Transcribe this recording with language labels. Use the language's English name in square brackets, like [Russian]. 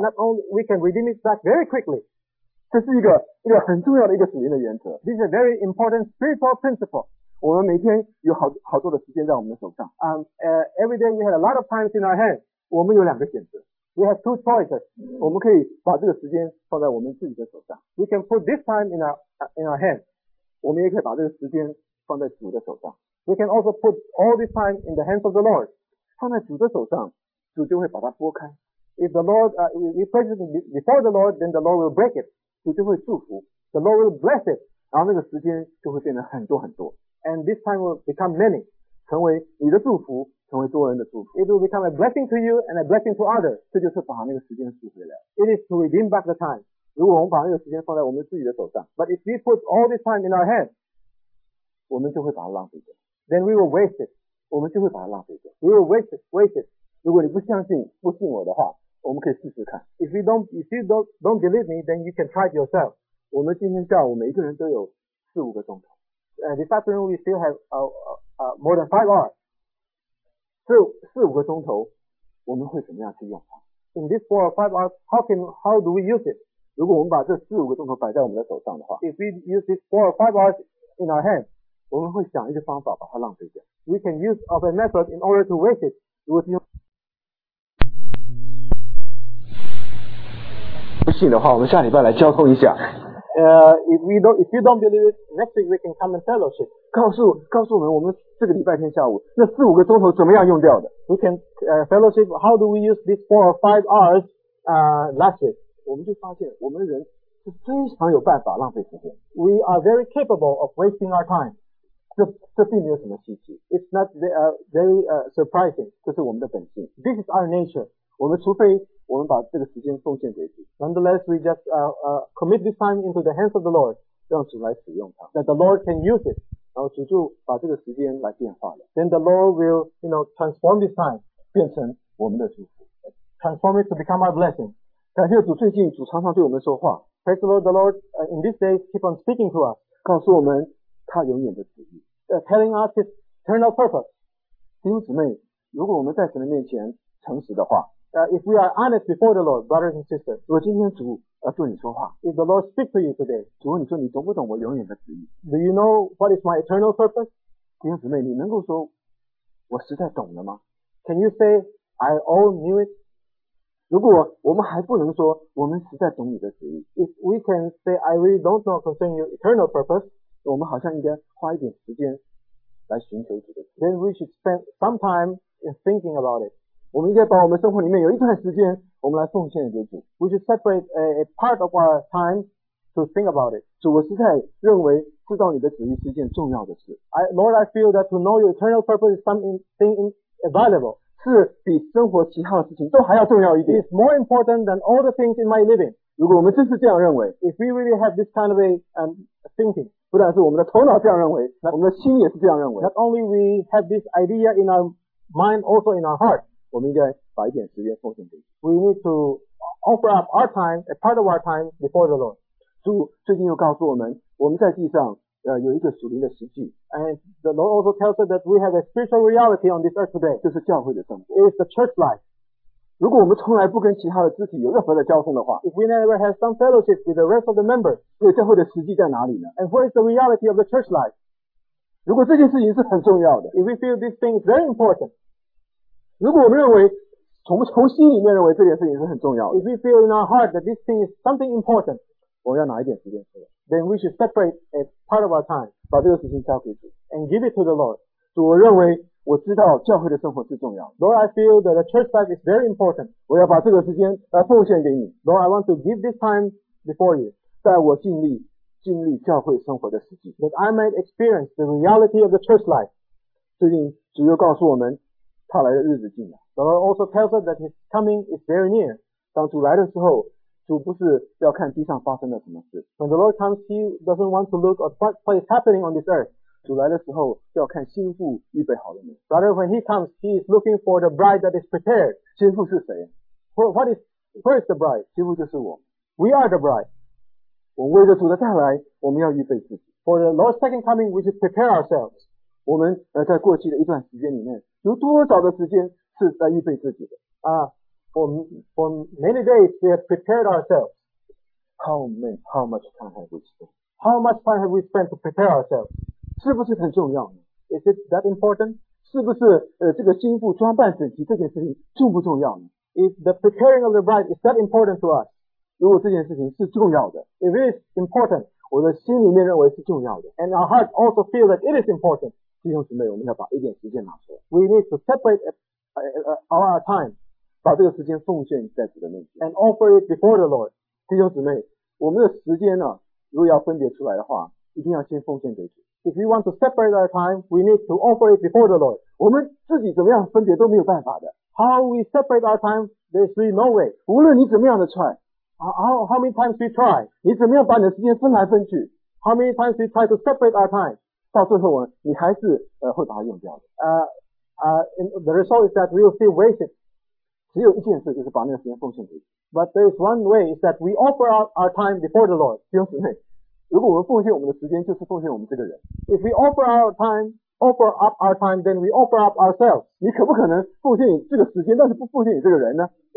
[English] Not only we can redeem it back very quickly. [Chinese] 这是一个很重要的一个属灵的原则。 [English] This is a very important spiritual principle. [Chinese] 我们每天有好多的时间在我们的手上。 [English] Every day we have a lot of time in our hands. [Chinese] 我们有两个选择。 [English] We have two choices. [Chinese] 我们可以把这个时间放在我们自己的手上。 [English] We can put this time in our hands. [Chinese] 我们也可以把这个时间放在主的手上。 [English] We can also put all this time in the hands of the Lord. [Chinese] 放在主的手上，主就会把它拨开。 [English] If the Lord, we place it before the Lord, then the Lord will break it. [Chinese] 主就会祝福。 [English] The Lord will bless it. [Chinese] 然后那个时间就会变得很多很多。 [English] And this time will become many. [Chinese] 成为你的祝福。成为多人的祝福。 [English] It will become a blessing to you and a blessing to others. [Chinese] 这就是把那个时间赎回来。 [English] It is to redeem back the time. [Chinese] 如果我们把那个时间放在我们自己的手上。 [English] But if we put all this time in our hands, [Chinese] 我们就会把它浪费掉。 [English] Then we will waste it. [Chinese] 我们就会把它浪费掉。 [English] We will waste it. [Chinese] 如果你不相信，不信我的话，我们可以试试看。 [English] If you don't believe me, then you can try it yourself. [Chinese] 我们今天下午每一个人都有四五个钟头。 [English] This afternoon we still have more than 5 hours. [Chinese] 四五个钟头我们会怎么样去用它 [English] In this 4 or 5 hours, how do we use it? [Chinese] 如果我们把这四五个钟头摆在我们的手上的话 [English] If we use this 4 or 5 hours in our hands, [Chinese] 我们会想一个方法把它浪费掉 [English] We can use of a method in order to waste it. [Chinese] 如果是用不信的话我们下礼拜来交通一下 [English] If you don't believe it, next week we can come and fellowship. [Chinese] 告诉我们，我们这个礼拜天下午那四五个钟头怎么样用掉的 [English] ？We can fellowship. How do we use these 4 or 5 hours? Last week, [Chinese] 我们就发现我们人是非常有办法浪费时间。 [English] We are very capable of wasting our time. [Chinese] 这并没有什么稀奇。 [English] It's not very surprising. [Chinese] 这是我们的本性。 [English] This is our nature. [Chinese] 我们除非我们把这个时间奉献给主。 [English] Nonetheless, we just commit this time into the hands of the Lord, [Chinese] 让主来使用它。 [English] That the Lord can use it. [Chinese] 然后主就把这个时间来变化了。 [English] Then the Lord will, you know, transform this time, [Chinese] 变成我们的祝福。 [English] Transform it to become our blessing. [Chinese] 感谢主，最近主常常对我们说话。 [English] Praise the Lord, the Lord in this day keep on speaking to us. [Chinese] 告诉我们他永远的旨意。 [English] Telling us his eternal purpose. [Chinese] 弟兄姊妹，如果我们在神的面前诚实的话， [English] If we are honest before the Lord, brothers and sisters, [Chinese] 我今天主要对你说话。 [English] If the Lord speak to you today, [Chinese] 主，你说你懂不懂我永远的旨意 [English] ？Do you know what is my eternal purpose? [Chinese] 弟兄姊妹，你能够说我实在懂了吗 [English] ？Can you say I all knew it? [Chinese] 如果我们还不能说我们实在懂你的旨意 [English] ，If we can say I really don't know concerning your eternal purpose, [Chinese] 我们好像应该花一点时间来寻求主的旨意。 [English] Then we should spend some time in thinking about it. [Chinese] 我们应该把我们生活里面有一段时间我们来奉献给主。 [English] We should separate a part of our time to think about it. [Chinese] 主，我实在认为知道你的旨意是一件重要的事。 [English] Lord, I feel that to know your eternal purpose is something invaluable. [Chinese] 是比生活其他的事情都还要重要一点。 [English] It's more important than all the things in my living. [Chinese] 如果我们真是这样认为 [English] ,If we really have this kind of a thinking, [Chinese] 不但是我们的头脑这样认为 我们的心也是这样认为。 [English] Not only we have this idea in our mind, also in our heart. [Chinese] 我们应该把一点时间奉献给主。 [English] We need to offer up our time, a part of our time before the Lord. [Chinese] 主最近又告诉我们，我们在地上有一个属灵的实际。 [English] And the Lord also tells us that we have a spiritual reality on this earth today. [Chinese] 就是教会的生活。 [English] It's the church life. [Chinese] 如果我们从来不跟其他的肢体有任何的交通的话 [English] ，If we never have some fellowship with the rest of the members, [Chinese] 这教会的实际在哪里呢 [English] ？And what is the reality of the church life? [Chinese] 如果这件事情是很重要的 [English] ，If we feel this thing is very important. [Chinese] 如果我们认为从心里面认为这件事情是很重要的 [English] ，If we feel in our heart that this thing is something important， [Chinese] 我们要拿一点时间出来 [English] ，Then we should separate a part of our time， [Chinese] 把这个事情交给主 [English] ，and give it to the Lord。 [Chinese] 主，我认为我知道教会的生活是重要的 [English] ，Lord， I feel that the church life is very important。 [Chinese] 我要把这个时间来奉献给你 [English] ，Lord， I want to give this time before you， [Chinese] 在我经历教会生活的实际 [English] ，That I might experience the reality of the church life。 [Chinese] 最近主又告诉我们。他来的日子近了。 [English] The Lord also tells us that His coming is very near. [Chinese] 当主来的时候，主不是要看地上发生了什么事。 [English] When the Lord comes, He doesn't want to look at what is happening on this earth. [Chinese] 主来的时候要看新妇预备好了没。 [English] Rather, when He comes, He is looking for the bride that is prepared. [Chinese] 新妇是谁 [English] ？Where is the bride? [Chinese] 新妇就是我。 [English] We are the bride. [Chinese] 我为着主的再来，我们要预备自己。 [English] For the Lord's second coming, we should prepare ourselves. [Chinese] 我们在过去的一段时间里面。有多少的时间是在预备自己的啊。 [English] For many days we have prepared ourselves. How much time have we spent? How much time have we spent to prepare ourselves? [Chinese] 是不是很重要呢？ [English] Is it that important? [Chinese] 是不是这个心腹装扮整齐这件事情重不重要呢？ [English] Is the preparing of the bride, is that important to us? [Chinese] 如果这件事情是重要的， [English] If it is important, [Chinese] 我的心里面认为是重要的， [English] And our hearts also feel that it is important. [Chinese] 弟兄姊妹，我们要把一点时间拿出来。 [English] We need to separate our time. [Chinese] 把这个时间奉献在主的面前 [English] ，and offer it before the Lord。 [Chinese] 弟兄姊妹，我们的时间呢，如果要分别出来的话，一定要先奉献给主。 [English] If we want to separate our time, we need to offer it before the Lord。 [Chinese] 我们自己怎么样分别都没有办法的。 [English] How we separate our time, there's really no way。 [Chinese] 无论你怎么样的 try， [English] how many times we try， [Chinese] 你怎么样把你的时间分来分去 [English] ？How many times we try to separate our time， [Chinese] 到最后你还是会把它用掉的。 [English] The result is that we will feel wasted。 [Chinese] 只有一件事，就是把那个时间奉献给主。 [English] But there is one way is that we offer our time before the Lord. [Chinese] 弟兄姊妹，如果我们奉献我们的时间，就是奉献我们这个人。 [English] If we offer our time, offer up our time, then we offer up ourselves. [Chinese] 你可不可能奉献这个时间，但是不奉献你这个人呢？